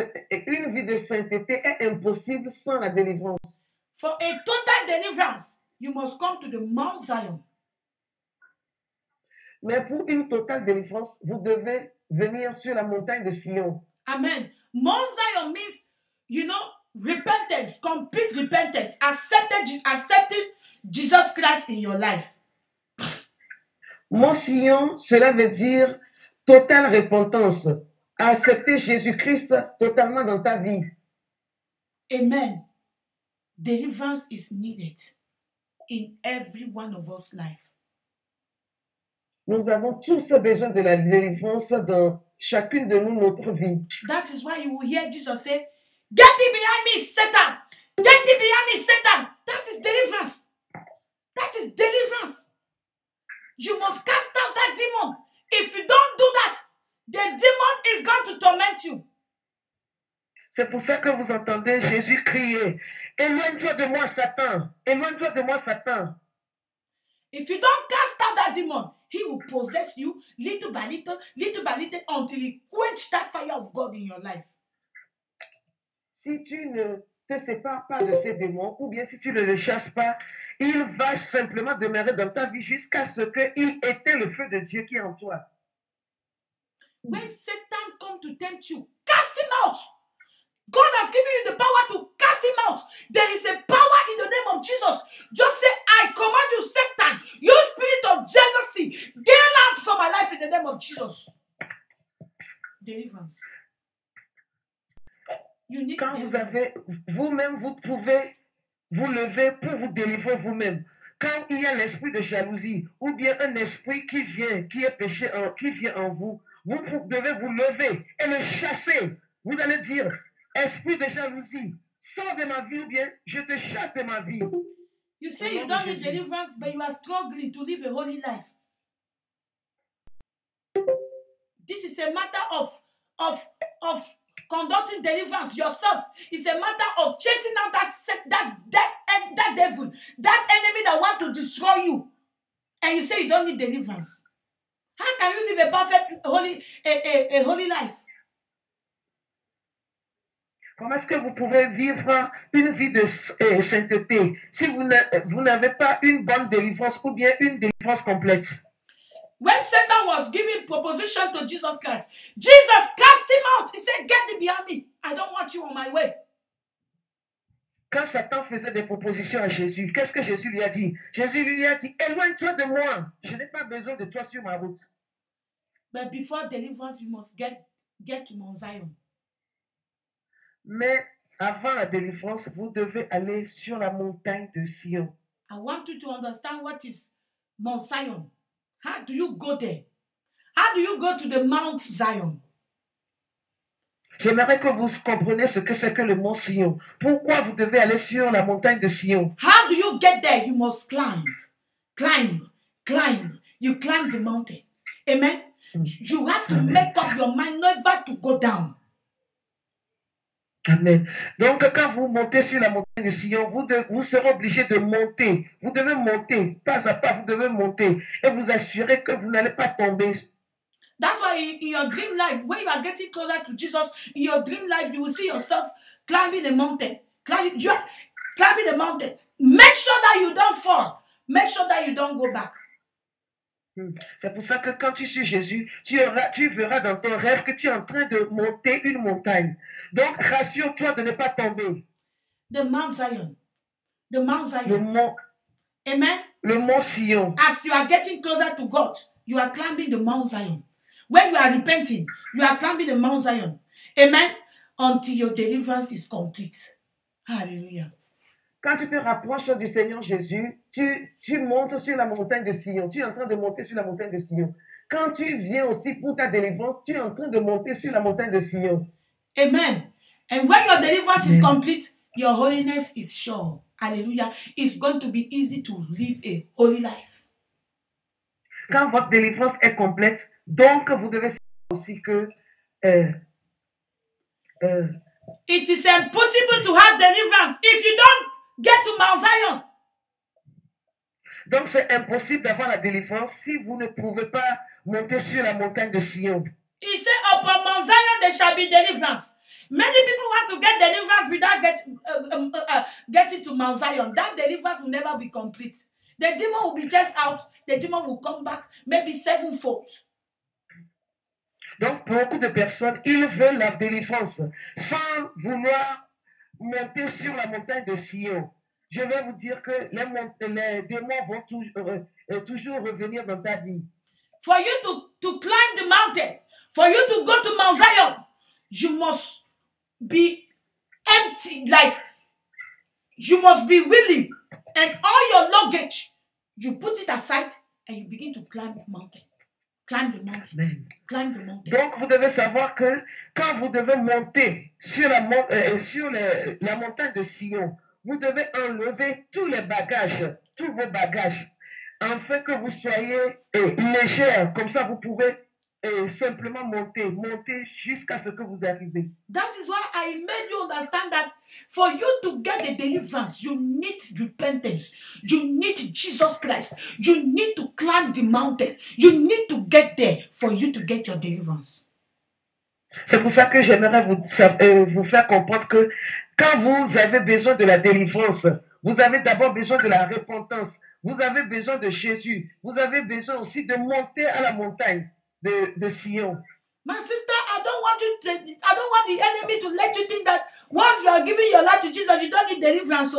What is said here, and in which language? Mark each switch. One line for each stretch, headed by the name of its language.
French: Une vie de sainteté est impossible sans la délivrance.
English: For a total deliverance, you must come to the Mount Zion.
French: Mais pour une totale délivrance, vous devez venir sur la montagne de Sion. Amen.
English: Mount Zion means, you know, repentance, complete repentance, accepting Jesus Christ in your life.
French: Mount Sion, cela veut dire totale repentance, accepter Jésus-Christ totalement dans ta vie.
English: Amen. Deliverance is needed in every one of us life.
French: Nous avons tous besoin de la délivrance dans chacune de nous notre vie.
English: That is why you will hear Jesus say, get thee behind me, Satan! Get thee behind me, Satan! That is deliverance! That is deliverance! You must cast out that demon. If you don't do that, the demon is going to torment you.
French: C'est pour ça que vous entendez Jésus crier, Éloigne-toi de moi, Satan. Éloigne-toi de moi, Satan.
English: If you don't cast out that demon, he will possess you little by little, until he quenches that fire of God in your life.
French: Si tu ne te sépares pas de ces démons, ou bien si tu ne les chasses pas, il va simplement demeurer dans ta vie jusqu'à ce qu'il éteigne le feu de Dieu qui est en toi.
English: When Satan comes to tempt you, cast him out. God has given you the power to cast him out. There is a power in the name of Jesus. Just say, I command you, Satan, you spirit of jealousy, get out from my life in the name of Jesus. Deliverance. You need
French: quand
English: deliverance.
French: Vous avez vous-même, vous pouvez vous lever pour vous délivrer vous-même. Quand il y a l'esprit de jalousie ou bien un esprit qui vient, qui est péché, qui vient en vous, vous devez vous lever et le chasser. Vous allez dire, esprit de jalousie, sors de ma vie ou bien je te chasse de ma vie.
English: You say you don't need deliverance, but you are struggling to live a holy life. This is a matter of conducting deliverance yourself. It's a matter of chasing out that devil, that enemy that wants to destroy you. And you say you don't need deliverance. How can you live a perfect holy life?
French: Comment est-ce que vous pouvez vivre une vie de sainteté si vous n'avez pas une bonne délivrance ou bien une délivrance complète?
English: When Satan was giving proposition to Jesus Christ, Jesus cast him out. He said, get thee behind me. I don't want you on my way.
French: Quand Satan faisait des propositions à Jésus, qu'est-ce que Jésus lui a dit? Jésus lui a dit, éloigne-toi de moi. Je n'ai pas besoin de toi sur ma route.
English: But before deliverance, you must get to Mount Zion.
French: Mais avant la délivrance, vous devez aller sur la montagne de Sion.
English: I want you to understand what is Mount Zion. How do you go there? How do you go to the Mount Zion?
French: J'aimerais que vous compreniez ce que c'est que le Mont Sion. Pourquoi vous devez aller sur la montagne de Sion?
English: How do you get there? You must climb. Climb. Climb. You climb the mountain. Amen? You have to make up your mind never to go down. Amen.
French: Donc, quand vous montez sur la montagne de Sion, vous serez obligé de monter. Vous devez monter, pas à pas, vous devez monter et vous assurer que vous n'allez pas tomber.
English: That's why in your dream life, when you are getting closer to Jesus, in your dream life, you will see yourself climbing a mountain. Climbing a mountain. Make sure that you don't fall. Make sure that you don't go back.
French: C'est pour ça que quand tu suis Jésus, tu verras dans ton rêve que tu es en train de monter une montagne. Donc, rassure-toi de ne pas tomber.
English: The Mount Zion. The Mount Zion.
French: Le mont. Amen. Le mont Sion.
English: As you are getting closer to God, you are climbing the Mount Zion. When you are repenting, you are climbing the Mount Zion. Amen. Until your deliverance is complete. Hallelujah.
French: Quand tu te rapproches du Seigneur Jésus, tu montes sur la montagne de Sion. Tu es en train de monter sur la montagne de Sion. Quand tu viens aussi pour ta délivrance, tu es en train de monter sur la montagne de Sion. Amen.
English: And when your deliverance is complete, your holiness is sure. Alléluia. It's going to be easy to live a holy life.
French: Quand votre délivrance est complète, donc vous devez savoir aussi que...
English: It is impossible to have deliverance if you don't get to Mount Zion.
French: Donc c'est impossible d'avoir la délivrance si vous ne pouvez pas monter sur la montagne de Sion.
English: He said, upon Mount Zion there shall be deliverance. Many people want to get deliverance without getting to Mount Zion. That deliverance will never be complete. The demon will be just out. The demon will come back maybe sevenfold.
French: Donc beaucoup de personnes, ils veulent la délivrance sans vouloir monter sur la montagne de Sion. Je vais vous dire que les démons vont toujours revenir dans ta vie.
English: For you to climb the mountain, for you to go to Mount Zion, you must be empty, like you must be willing, and all your luggage, you put it aside and you begin to climb the mountain. Climb the mountain. Amen. Climb the mountain.
French: Donc vous devez savoir que quand vous devez monter sur la montagne de Sion, vous devez enlever tous les bagages, tous vos bagages, afin que vous soyez légère. Comme ça, vous pouvez Simplement monter, monter jusqu'à ce que vous arrivez.
English: That is why I made you understand that for you to get the deliverance, you need repentance, you need Jesus Christ, you need to climb the mountain, you need to get there for you to get your deliverance.
French: C'est pour ça que j'aimerais vous faire comprendre que quand vous avez besoin de la délivrance, vous avez d'abord besoin de la repentance, vous avez besoin de Jésus, vous avez besoin aussi de monter à la montagne de Sion.
English: My sister, I don't want the enemy to let you think that once you are giving your life to Jesus, you don't need deliverance.